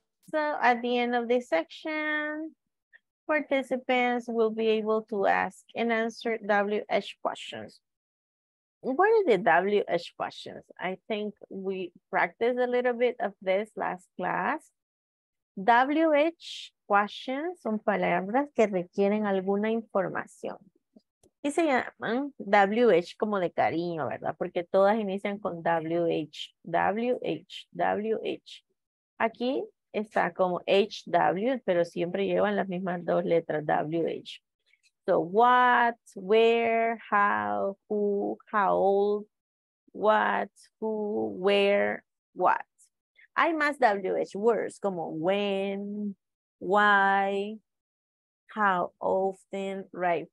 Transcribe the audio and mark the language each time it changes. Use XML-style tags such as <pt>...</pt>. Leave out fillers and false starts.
<en>So at the end of this section, participants will be able to ask and answer WH questions. What are the WH questions? I think we practiced a little bit of this last class,</en> <es>WH questions son palabras que requieren alguna información. Y se llaman WH como de cariño, ¿verdad? Porque todas inician con WH, WH, WH. Aquí está como HW, pero siempre llevan las mismas dos letras, WH.</es> <en>So, what, where, how, who, how old, what, who, where, what.</en> <es>Hay más WH words como</es> <en>when, why, how often, right?</en>